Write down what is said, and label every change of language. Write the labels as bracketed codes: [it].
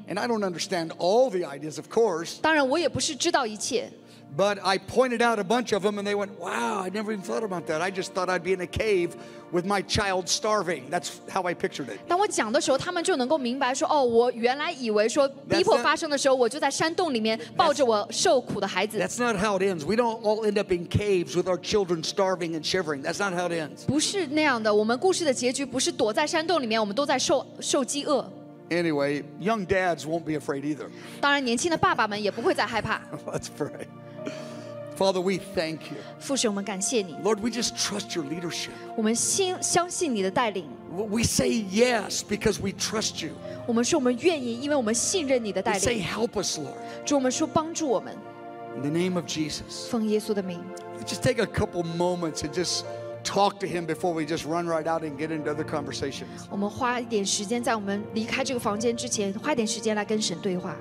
[en] And I don't understand all the ideas, of course. [zh] 当然我也不是知道一切。 [en] But I pointed out a bunch of them and they went, wow, I never even thought about that. I just thought I'd be in a cave with my child starving. That's how I pictured it. [zh] 当我讲的时候他们就能够明白说哦我原来以为说逼迫发生的时候我就在山洞里面抱着我受苦的孩子。 [en] That's not how it ends. We don't all end up in caves with our children starving and shivering. That's not how it ends. [zh] 不是那样的我们故事的结局不是躲在山洞里面我们都在受饥饿。 [en] Anyway, young dads won't be afraid either. [zh] 当然年轻的爸爸们也不会再害怕。 [en] Let's pray. Father, we thank you. [zh] 父神，我们感谢你。 [en] Lord, we just trust your leadership. [zh] 我们相信你的带领。 [en] We say yes because we trust you. [zh] 我们说我们愿意，因为我们信任你的带领。 [en] We say help us, Lord. [zh] 主，我们说帮助我们。 [en] In the name of Jesus. [zh] 奉耶稣的名。 [en] Just take a couple moments and just talk to him before we just run right out and get into other conversations. [zh] 我们花一点时间在我们离开这个房间之前，花点时间来跟神对话。